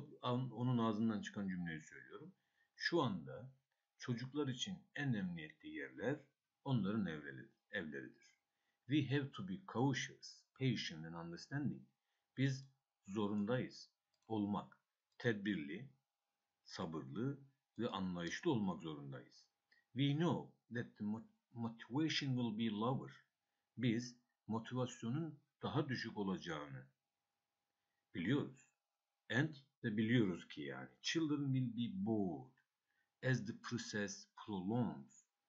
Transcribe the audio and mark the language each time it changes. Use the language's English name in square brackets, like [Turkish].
[Turkish] Onun ağzından çıkan cümleyi söylüyorum. Şu anda çocuklar için en emniyetli yerler onların evleridir. [English] We have to be cautious, patient and understanding. [Turkish] Biz zorundayız olmak, tedbirli, sabırlı ve anlayışlı olmak zorundayız. [English] We know that the motivation will be lower. [Turkish] Biz motivasyonun daha düşük olacağını biliyoruz. [English] And [Turkish] de biliyoruz ki yani. [English] Children will be bored as the process prolongs.